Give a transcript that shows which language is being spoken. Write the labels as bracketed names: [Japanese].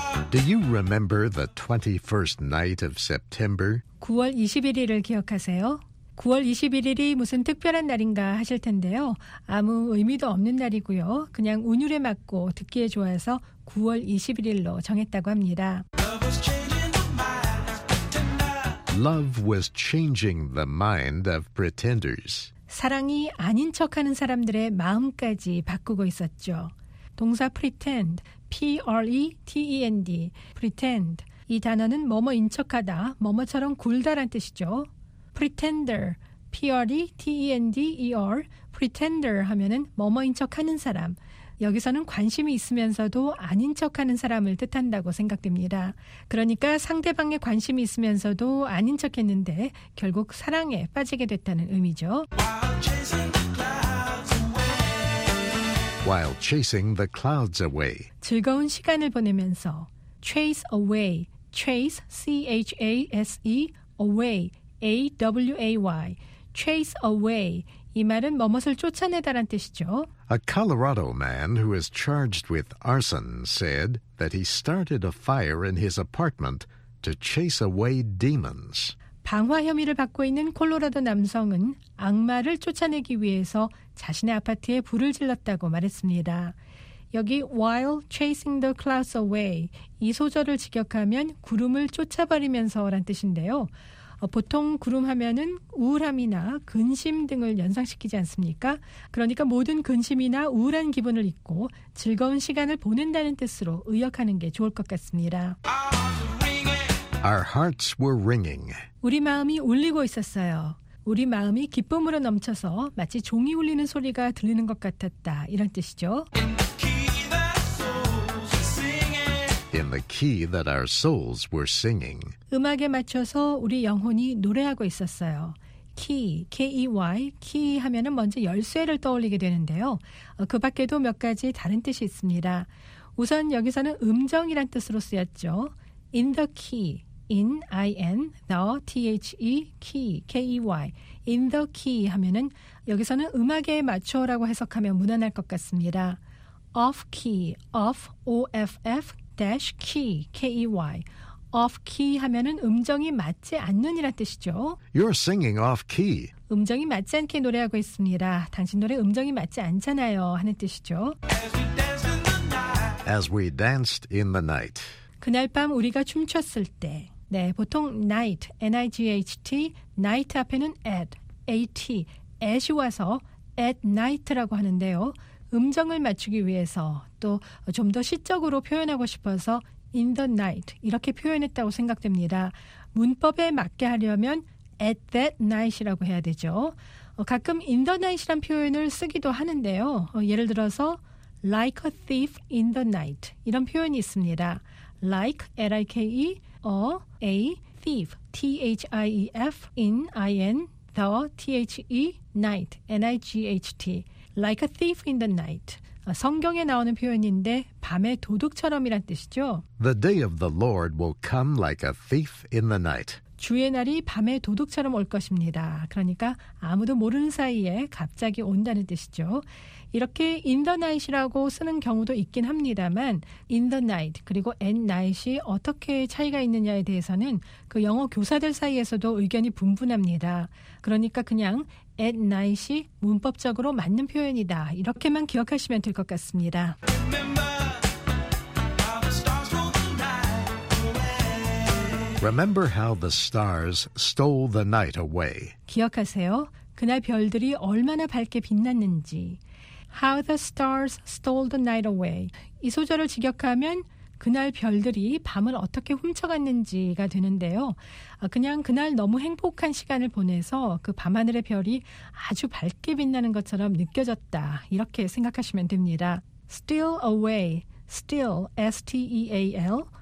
[English] Do you remember the 21st night of September? [Korean] 9월 21일을 기억하세요? 9월 21일이 무슨 특별한 날인가 하실 텐데요. 아무 의미도 없는 날이고요. 그냥 운율에 맞고 듣기에 좋아서 9월 21일로 정했다고 합니다. [English] Love was changing the mind of pretenders. [Korean] 사랑이 아닌 척하는 사람들의 마음까지 바꾸고 있었죠. [English] 동사 pretend, P-R-E-T-E-N-D, pretend. [Korean] 이 단어는 뭐뭐인 척하다, 뭐뭐처럼 굴다란 뜻이죠. [English] Pretender, P-R-E-T-E-N-D-E-R, pretender [Korean] 하면은 뭐뭐인 척하는 사람. 여기서는 관심이 있으면서도 아닌 척하는 사람을 뜻한다고 생각됩니다. 그러니까 상대방의 관심이 있으면서도 아닌 척했는데 결국 사랑에 빠지게 됐다는 의미죠. [English] While chasing the clouds away. [Korean] 즐거운 시간을 보내면서 [English] chase away, chase, C-H-A-S-E, away, A-W-A-Y, chase away. [Korean] 이 말은 뭐뭇을 쫓아내다란 뜻이죠. [English] A Colorado man who is charged with arson said that he started a fire in his apartment to chase away demons. [Korean] 방화 혐의를 받고 있는 콜로라도 남성은 악마를 쫓아내기 위해서 자신의 아파트에 불을 질렀다고 말했습니다. 여기 [English] while chasing the clouds away, [Korean] 이 소절을 직역하면 구름을 쫓아버리면서란 뜻인데요. 보통 구름 하면은 우울함이나 근심 등을 연상시키지 않습니까? 그러니까 모든 근심이나 우울한 기분을 잊고 즐거운 시간을 보낸다는 뜻으로 의역하는 게 좋을 것 같습니다. [English] Our hearts were ringing. [Korean] 우리 마음이 울리고 있었어요. 우리 마음이 기쁨으로 넘쳐서 마치 종이 울리는 소리가 들리는 것 같았다. 이런 뜻이죠. [English] In the key that our souls were singing. [Korean] 음악에 맞춰서 우리 영혼이 노래하고 있었어요. [English] Key, K-E-Y, key [Korean] 하면은 먼저 열쇠를 떠올리게 되는데요. 그 밖에도 몇 가지 다른 뜻이 있습니다. 우선 여기서는 음정이란 뜻으로 쓰였죠. [English] In the key, in, I-N, the, T-H-E, key, K-E-Y, in the key [Korean] 하면은 여기서는 음악에 맞춰라고 해석하면 무난할 것 같습니다. [English] Off key, off, O-F-F, dash key, K-E-Y, off key [Korean] 하면은 음정이 맞지 않는이란 뜻이죠. [English] You're singing off key. [Korean] 음정이 맞지 않게 노래하고 있습니다. 당신 노래 음정이 맞지 않잖아요 하는 뜻이죠. [English] As we danced in the night. As we danced in the night. [Korean] 그날 밤 우리가 춤췄을 때, 네, 보통 [English] night, N-I-G-H-T, night [Korean] 앞에는 [English] at, A-T, at [Korean] 이 와서 [English] at night [Korean] 라고 하는데요. 음정을 맞추기 위해서 또 좀 더 시적으로 표현하고 싶어서 [English] in the night [Korean] 이렇게 표현했다고 생각됩니다. 문법에 맞게 하려면 [English] at that night [Korean] 이라고 해야 되죠. 가끔 [English] in the night [Korean] 이란 표현을 쓰기도 하는데요. 예를 들어서 [English] like a thief in the night [Korean] 이런 표현이 있습니다. [English] Like, L-I-K-E, a, a, thief, T-H-I-E-F, in, I-N, the, T-H-E, night, N-I-G-H-T, like a thief in the night. [Korean] 성경에 나오는 표현인데 밤에 도둑처럼이란 뜻이죠. [English] The day of the Lord will come like a thief in the night. [Korean] 주의 날이 밤에 도둑처럼 올 것입니다. 그러니까 아무도 모르는 사이에 갑자기 온다는 뜻이죠. 이렇게 [English] in the night [Korean] 이라고 쓰는 경우도 있긴 합니다만 in the night 그리고 [English] at night [Korean] 이 어떻게 차이가 있느냐에 대해서는 그 영어 교사들 사이에서도 의견이 분분합니다. 그러니까 그냥 [English] at night [Korean] 이 문법적으로 맞는 표현이다. 이렇게만 기억하시면 될 것 같습니다. [English] Remember how the stars stole the night away. [Korean] 기억하세요? 그날 별들이 얼마나 밝게 빛났는지. [English] How the stars stole the night away. [Korean] 이 소절을 직역하면 그날 별들이 밤을 어떻게 훔쳐갔는지가 되는데요. 그냥 그날 너무 행복한 시간을 보내서 그 밤하늘의 별이 아주 밝게 빛나는 것처럼 느껴졌다. 이렇게 생각하시면 됩니다. [English] Steal away. Steal, S-T-E-A-L.